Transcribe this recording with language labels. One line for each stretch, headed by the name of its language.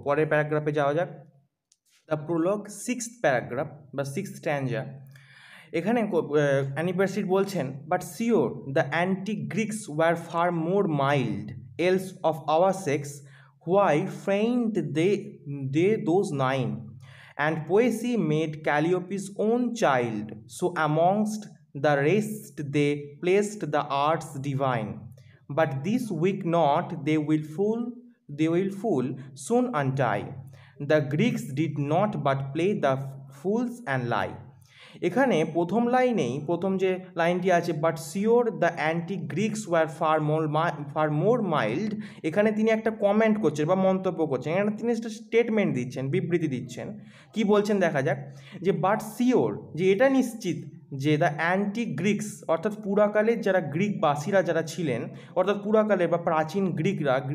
Bangla: পরের প্যারাগ্রাফে যাওয়া যাক, দ্য প্রোলগ সিক্সথ প্যারাগ্রাফ বা সিক্সথ স্ট্যানজা, এখানে অ্যানি ব্রাডস্ট্রিট বলছেন,
English: But sure the antique Greeks were far more mild, else of our sex why feigned they those nine, and Poesy made Calliope's own child. So amongst the rest they placed the arts divine. But this weak knot they will fool soon untie. The Greeks did not but play the fools and lie.
Bangla: এখানে প্রথম লাইনেই প্রথম যে লাইনটি আছে
English: but sure the antique Greeks were far more mild,
Bangla: এখানে তিনি একটা কমেন্ট করছেন বা মন্তব্য করছেন, এখানে তিনি একটা স্টেটমেন্ট দিচ্ছেন, বিবৃতি দিচ্ছেন, কি বলছেন দেখা যাক, যে বাট সিওর যে এটা নিশ্চিত যে
English: the antique Greeks
Bangla: অর্থাৎ পুরাকালের যারা গ্রিকবাসীরা যারা ছিলেন অর্থাৎ পুরাকালের বা প্রাচীন গ্রিকরা